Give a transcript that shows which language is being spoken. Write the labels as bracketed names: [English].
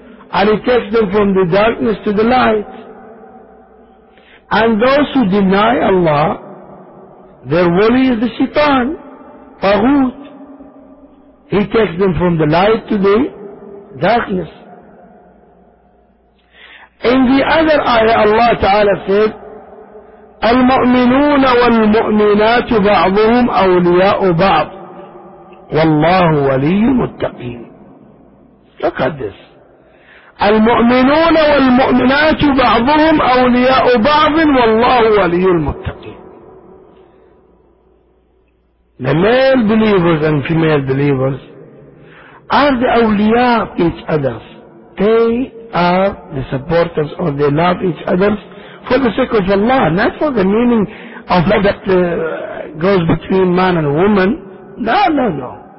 [English] And he takes them from the darkness to the light. And those who deny Allah, their wali is the shaitan. Tahut. He takes them from the light to the darkness. In the other ayah, Allah Ta'ala said, [Arabic] المؤمنون والمؤمنات بعضهم أولياء بعض والله ولي المتقين. [English] Look at this. [Arabic] المؤمنون والمؤمنات بعضهم أولياء بعض والله ولي المتقين. [English] The male believers and female believers are the أولياء each other. They are the supporters or they love each other. For the sake of Allah, not for the meaning of love that goes between man and woman. No, no, no.